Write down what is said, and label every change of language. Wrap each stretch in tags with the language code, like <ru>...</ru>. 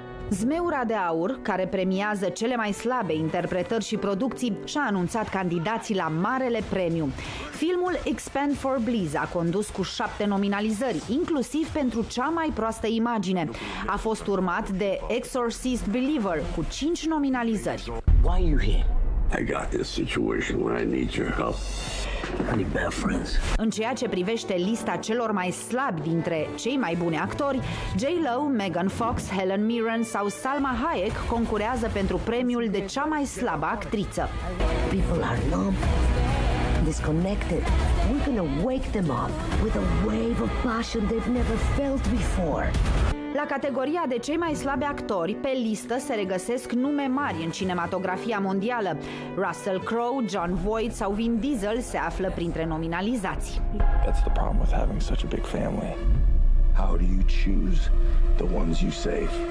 <ro>Zmeura de Aur, care premiază cele mai slabe interpretări și producții, și-a anunțat candidații la Marele Premiu. Filmul Expand for Bliss a condus cu 7 nominalizări, inclusiv pentru cea mai proastă imagine. A fost urmat de Exorcist Believer cu 5 nominalizări.</ro> <en>Why are you here? I got this situation where I need your help.</en> <ro>În ceea ce privește lista celor mai slabi dintre cei mai buni actori, J.Lo, Megan Fox, Helen Mirren sau Salma Hayek concurează pentru premiul de cea mai slabă actriță.</ro> <en>People are numb, disconnected. We're gonna wake them up with a wave of passion they've never felt before.</en> <ro>La categoria de cei mai slabi actori, pe listă se regăsesc nume mari în cinematografia mondială. Russell Crowe, John Voight sau Vin Diesel se află printre nominalizații.</ro> <en>That's the problem with having such a big family. How do you choose the ones you save?</en>